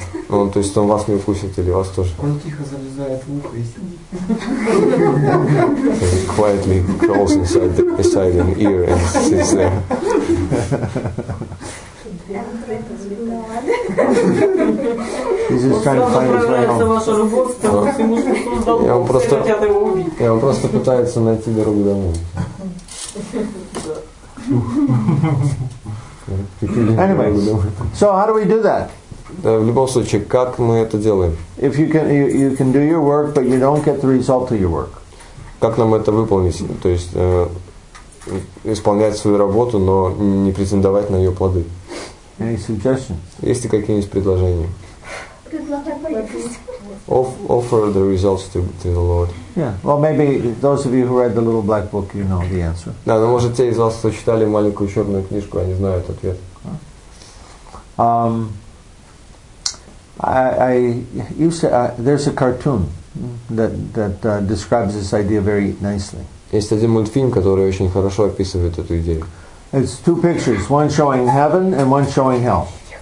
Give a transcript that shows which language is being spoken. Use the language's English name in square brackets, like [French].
[Russian] Он, то есть, он вас не укусит или вас тоже? Он тихо залезает в ухо и сидит. [English] Quietly crawls inside an ear and sits there. He's just trying to find his way home. [Russian] Он просто пытается найти дорогу домой. [English] Anyway, so how do we do that? [Russian] В любом случае, как мы это делаем? [English] If you can, you can do your work, but you don't get the result of your work. [Russian] Как нам это выполнить? То есть исполнять свою работу, но не претендовать на ее плоды. [English] Any suggestions? [Russian] Есть ли какие-нибудь предложения? [English] Offer the results to the Lord. Yeah. Well, maybe those of you who read the little black book, you know the answer. [Russian] Да, но может те из вас, кто читали маленькую черную книжку, они знают ответ. [English] There's a cartoon that describes this idea very nicely. [Russian] Есть один мультфильм, который очень хорошо описывает эту идею. [English] It's two pictures, one showing heaven and one showing hell.